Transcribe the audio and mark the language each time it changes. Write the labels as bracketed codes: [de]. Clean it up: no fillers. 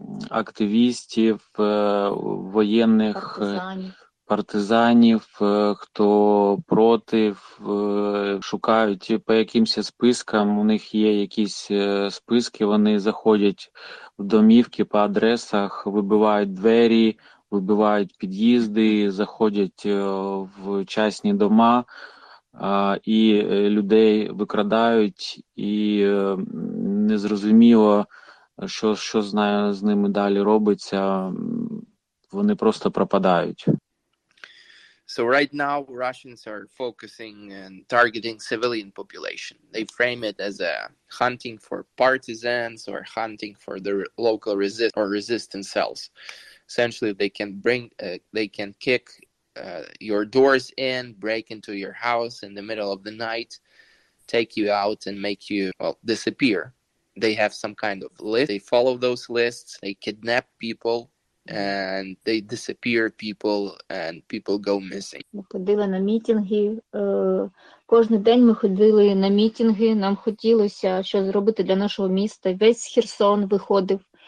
[uk] активістів, воєнних, партизанів, хто проти, шукають по якимось спискам, у них є якісь списки, вони заходять в домівки по адресах, вибивають двері, вибивають під'їзди, заходять в частні дома і людей викрадають, і незрозуміло, що знає з ними далі робиться, вони просто пропадають. [en] So right now, Russians are focusing and targeting civilian population. They frame it as a hunting for partisans or hunting for the local resistance cells. Essentially, they can kick your doors in, break into your house in the middle of the night, take you out and make you, well, disappear. They have some kind of list. They follow those lists. They kidnap people and they disappear people and people go missing. [uk] Ми ходили на мітинги. Кожен день ми ходили на мітинги. Нам хотілося що зробити для нашого міста. Весь Херсон виходив.